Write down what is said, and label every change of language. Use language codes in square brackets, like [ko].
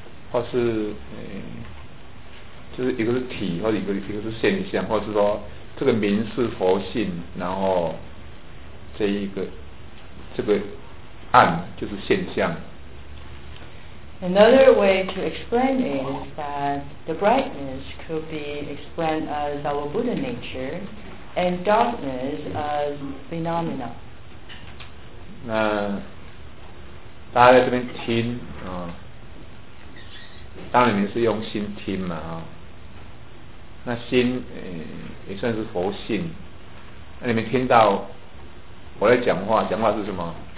[zh] 或是就是一个是体，或者一个是现象，或者是说这个名是佛性，然后这个暗就是现象。 [en] Another way to explain is that the brightness could be explained as our Buddha nature, and darkness as phenomena. [zh] 那大家在这边听啊、当然你们是用心听嘛啊、那心也算是佛性，那你们听到我在讲话，讲话是什么？